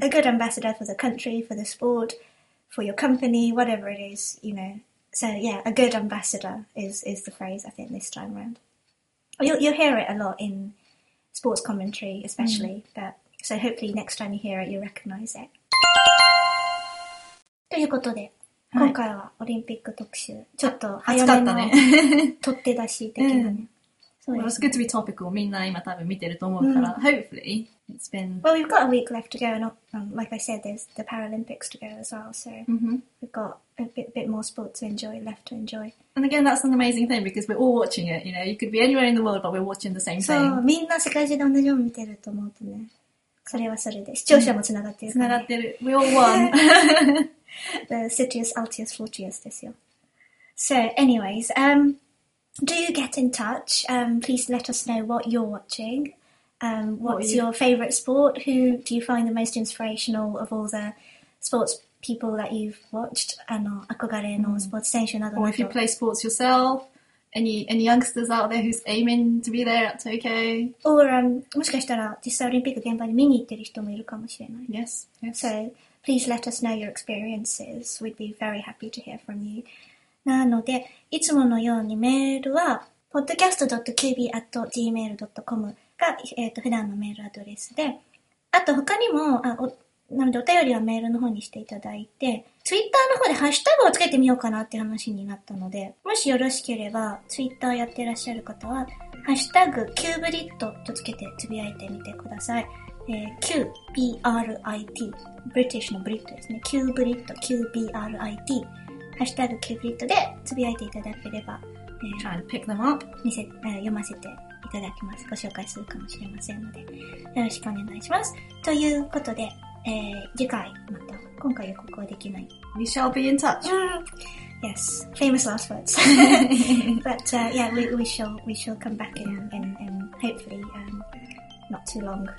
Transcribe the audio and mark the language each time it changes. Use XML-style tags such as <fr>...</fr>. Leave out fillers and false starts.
<en>A good ambassador for the country, for the sport, for your company, whatever it is, you know. So, yeah, a good ambassador is the phrase, I think, this time around. You'll hear it a lot in sports commentary, especially, but. So hopefully next time you hear it, you'll recognize it.</en> <ja>ということで、はい、今回はオリンピック特集。ちょっと早めの取っ手出し的なね。そうですね。</ja> <en>It's good to be topical.</en> <ja>みんな今多分見てると思うから、うん、</ja> <en>hopefully it's been... Well, we've got a week left to go. And, like I said, there's the Paralympics to go as well. So、mm-hmm. we've got a bit more sports to enjoy, left to enjoy. And again, that's an amazing thing because we're all watching it. You know, you could be anywhere in the world, but we're watching the same thing.</en> <ja>そう、みんな世界中で同じように見てると思うとね。それはそれで。視聴者もつながってるから、ね。つながってる。</ja> <en>We all won. The Citius, Altius, Fortius ですよ。So, anyways, do get in touch. Please let us know what you're watching. What's your favorite sport? Who do you find the most inspirational of all the sports people that you've watched?</en> <ja>あの、憧れのスポーツ選手など。</ja> <en>Or if you play sports yourself. Any youngsters out there who's aiming to be there at Tokyo?</en> <ja>Or, もしかしたら実際オリンピック現場に見に行ってる人もいるかもしれない。</ja> <en>Yes, yes. So, please let us know your experiences. We'd be very happy to hear from you.</en> <ja>なので、いつものようにメールは podcast.kb@gmail.com が、普段のメールアドレスで、あと他にも、なのでお便りはメールの方にしていただいて、ツイッターの方でハッシュタグをつけてみようかなっていう話になったので、もしよろしければツイッターやってらっしゃる方はハッシュタグキューブリットとつけてつぶやいてみてください。 QBRIT、ブリティッシュのブリットですね。キューブリット、QBRIT、ハッシュタグキューブリットでつぶやいていただければ、</ja> <en>Try to pick them up.</en> <ja>読ませていただきます。ご紹介するかもしれませんので、よろしくお願いします。ということで。次回また今回予告はできない。</ja> <en>We shall be in touch. Yes, famous last words. But yeah, we shall come back in and hopefully not too long.</en>